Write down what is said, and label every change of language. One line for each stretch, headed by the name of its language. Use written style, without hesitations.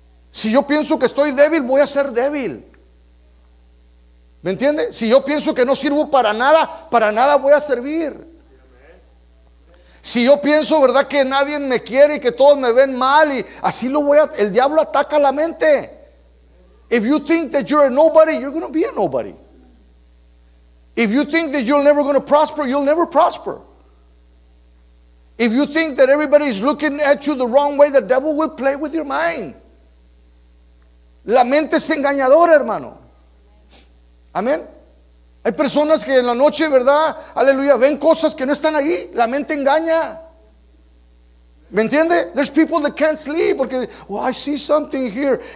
Spanish: Si yo pienso que estoy débil, voy a ser débil. ¿Me entiende? Si yo pienso que no sirvo para nada voy a servir. Si yo pienso, ¿verdad?, que nadie me quiere y que todos me ven mal, y así lo voy a, el diablo ataca la mente.
English: If you think that you're a nobody, you're going to be a nobody. If you think that you're never going to prosper, you'll never prosper. If you think that everybody is looking at you the wrong way, the devil will play with your mind.
Spanish: La mente es engañadora, hermano. Amén. Hay personas que en la noche, ¿verdad?, aleluya, ven cosas que no están ahí. La mente engaña. ¿Me entiende?
English: There's people that can't sleep
Spanish: porque,
English: oh, I see something here.